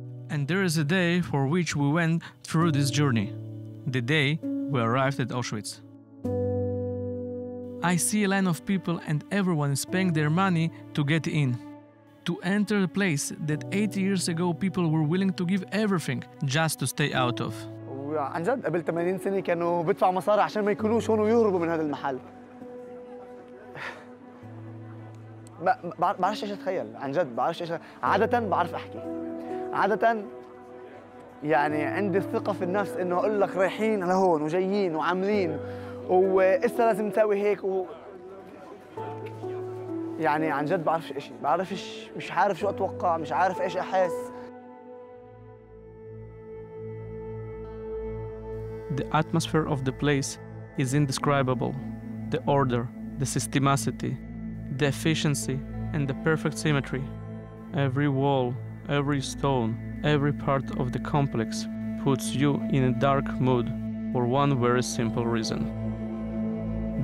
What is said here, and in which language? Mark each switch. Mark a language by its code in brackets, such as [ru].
[en] And there is a day for which we went through this journey, the day we arrived at Auschwitz. I see a line of people and everyone is paying their money to get in. To enter a place that 80 years ago people were willing to give everything just to stay out of. [ar] عن جد قبل 80 سنه كانوا بيدفعوا مصاري عشان ما يكونوش هون ويهربوا من هذا المحل. بعرفش ايش اتخيل عن جد بعرفش ايش عاده بعرف احكي عاده يعني عندي ثقه في النفس انه اقول لك رايحين لهون وجايين وعاملين واسا لازم نسوي هيك و يعني عن جد بعرفش إشي بعرفش مش عارف شو أتوقع مش عارف إيش أحس. [en] The atmosphere of the place is indescribable. The order, the systematicity, the efficiency, and the perfect symmetry. Every wall, every stone, every part of the complex puts you in a dark mood for one very simple reason.